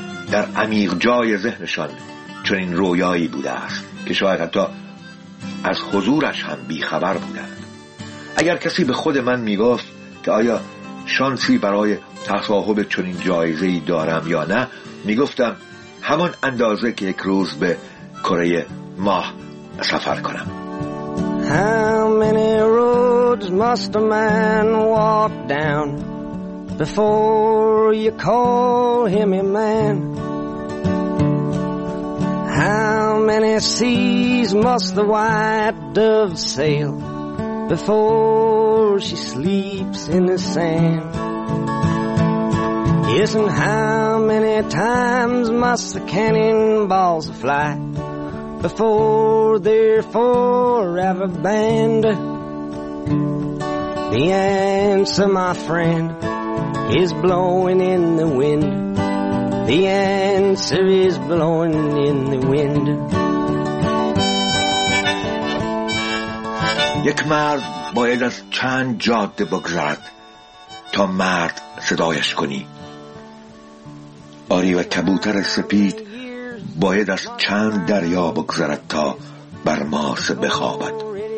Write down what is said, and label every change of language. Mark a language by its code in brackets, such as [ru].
[fa] در عمیق جای ذهنشان چنین رویایی بوده است که شاید حتی از حضورش هم بیخبر بودند. اگر کسی به خود من میگفت که آیا شانسی برای تصاحب چنین جایزه‌ای دارم یا نه، میگفتم همان اندازه که یک روز به کره ماه سفر کنم. [en] How many roads must a man walk down before you call him a man? How many seas must the white dove sail before she sleeps in the sand? Yes, and how many times must the cannonballs fly before they're forever banned? The answer, my friend, is blowing in the wind. The answer is blowing in the wind. [fa] یک مرد باید از چند جاده بگذرد تا مرد صدایش کنی. آری و کبوتر سپید باید از چند دریا بگذرد تا بر ماس بخوابد.